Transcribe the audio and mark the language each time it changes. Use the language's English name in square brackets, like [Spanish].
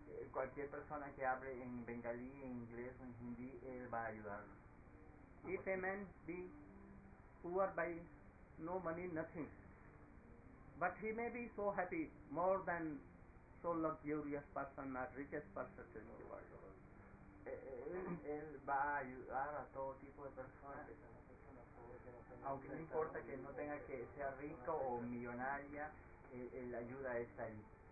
[Spanish] Cualquier persona que hable en bengalí, en inglés o en hindi, él va a ayudarlo. [English] If a man be poor by no money, nothing, but he may be so happy, more than so luxurious person, the richest person in the world. [Spanish] Él va a ayudar a todo tipo de personas, aunque no importa que no tenga que sea rico o millonaria, la ayuda está ahí.